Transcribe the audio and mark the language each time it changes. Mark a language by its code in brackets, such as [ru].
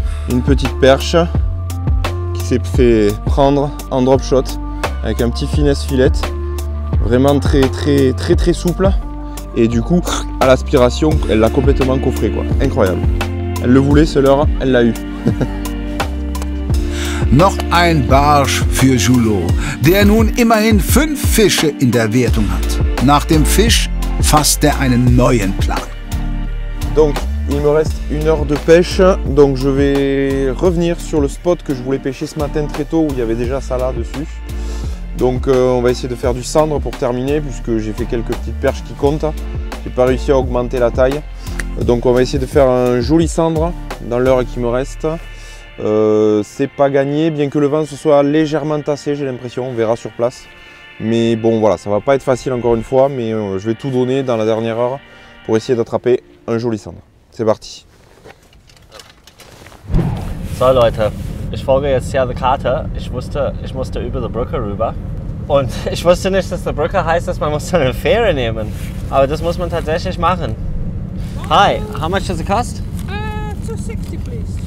[fr] Une petite perche qui s'est fait prendre en drop shot avec un petit finesse filet. Vraiment très très très très souple. Et du coup, à l'aspiration, elle l'a complètement coffré quoi. Incroyable. Elle le voulait, ce leurre, elle l'a eu. [de] Noch ein Barsch für Julo, der nun immerhin 5 Fische in der Wertung hat. Nach dem Fisch fasst er einen neuen Plan. [fr] Donc, il me reste une heure de pêche, donc je vais revenir sur le spot que je voulais pêcher ce matin très tôt où il y avait déjà Salah dessus. Donc on va essayer de faire du cendre pour terminer puisque j'ai fait quelques petites perches qui comptent. J'ai pas réussi à augmenter la taille. Donc on va essayer de faire un joli cendre dans l'heure qui me reste. C'est pas gagné, bien que le vent se soit légèrement tassé, j'ai l'impression, on verra sur place. Mais bon, voilà, ça va pas être facile encore une fois, mais je vais tout donner dans la dernière heure pour essayer d'attraper un joli cendre. C'est parti. [de] So Leute, ich folge jetzt hier der Karte. Ich wusste, ich musste über die Brücke rüber. Und ich wusste nicht, dass die Brücke heißt, dass man muss eine Fähre nehmen. Aber das muss man tatsächlich machen. [en] Hi, how much does it cost? 260, please.